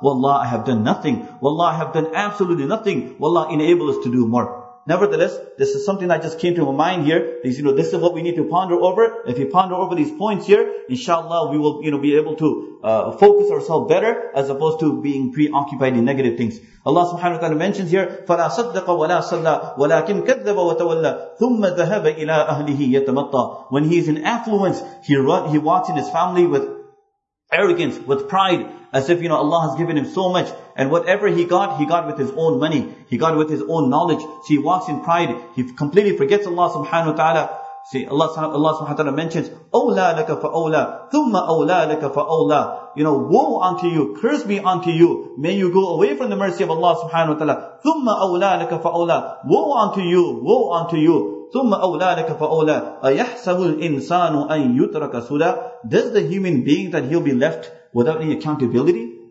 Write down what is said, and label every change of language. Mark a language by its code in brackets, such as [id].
[en] Wallah, I have done nothing. Wallah, I have done absolutely nothing. Wallah, enable us to do more. Nevertheless, this is something that just came to my mind here. This is what we need to ponder over. If you ponder over these points here, inshallah, we will, be able to focus ourselves better as opposed to being preoccupied in negative things. Allah subhanahu wa ta'ala mentions here, [ar] فَلَا صَدَّقَ وَلَا صَلَّى وَلَكِنْ كَذَّبَ وَتَوَلَّى ثُمَّ ذَهَبَ إِلَىٰ أَهْلِهِ يَتَمَطَّى. [en] When he is in affluence, he walks in his family with arrogance, with pride, as if, Allah has given him so much. And whatever he got with his own money. He got with his own knowledge. See, he walks in pride. He completely forgets Allah subhanahu wa ta'ala. See, Allah subhanahu wa ta'ala mentions, [ar] أَوْلَى لَكَ فَأَوْلَى ثُمَّ أَوْلَى لَكَ فَأَوْلَى. [en] Woe unto you, curse be unto you. May you go away from the mercy of Allah subhanahu wa ta'ala. [ar] ثُمَّ أَوْلَى لَكَ فَأَوْلَى. [en] Woe unto you, woe unto you. [ar] ثُمَّ أَوْلَى لَكَ فَأَوْلَى أَيَحْسَبُ الْإِنسَانُ أَن يُتْرَكَ سُدًى. [en] Does the human being that he'll be left without any accountability?